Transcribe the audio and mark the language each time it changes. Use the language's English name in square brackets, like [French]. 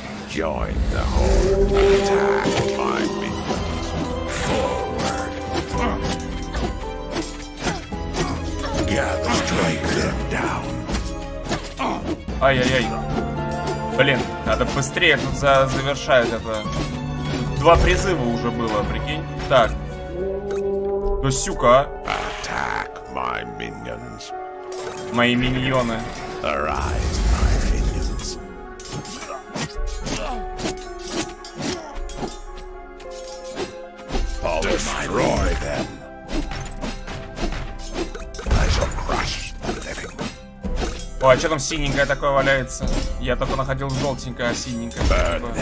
[English] Join the whole attack by me. Forward. Gather, strike them down. Ай-яй-яй. [Russian] Блин, надо быстрее тут завершать это. Два призыва уже было, прикинь. Так. Ну, сюка. [English] Attack, my minions. [Russian] Мои миньоны. [English] Arise, my minions. Destroy them. I shall crush the living. [Russian] О, а что там синенькое такое валяется? Я только находил желтенькое, а синенькое. Типа.